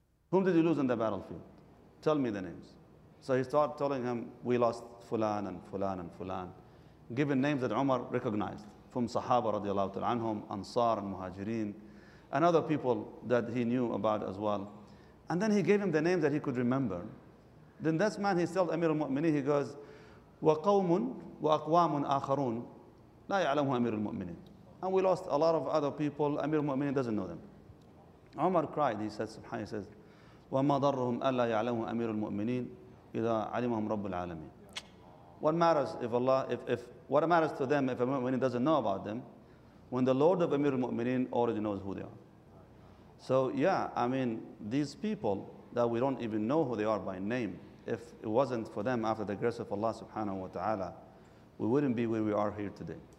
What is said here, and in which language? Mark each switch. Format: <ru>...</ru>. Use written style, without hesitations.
<en>Whom did we lose on the battlefield? Tell me the names. So he started telling him, we lost Fulan and Fulan and Fulan, given names that Umar recognized from Sahaba radiallahu ta'ala anhum, Ansar and Muhajireen, and other people that he knew about as well. And then he gave him the names that he could remember. Then this man, he tells Amir al-Mu'mineen, he goes,</en> <ar>وَقَوْمٌ وَأَقْوَامٌ آخَرُونَ لا يعلمه أمير المؤمنين.</ar> <en>And we lost a lot of other people. Amir al-Mu'mineen doesn't know them. Umar cried. He said,</en> <ar>Subhanahu wa ta'ala, وَمَا ضَرُّهُمْ أَلَّا يَعْلَمُهُ أَمِيرُ الْمُؤْمِنِينَ إِذَا عَلِمَهُمْ رَبُّ الْعَالَمِينَ.</ar> <en>What matters if Allah, if what matters to them if Amir al-Mu'mineen doesn't know about them, when the Lord of Amir al-Mu'mineen already knows who they are. So yeah, I mean, these people that we don't even know who they are by name, if it wasn't for them after the grace of Allah subhanahu wa ta'ala, we wouldn't be where we are here today.</en>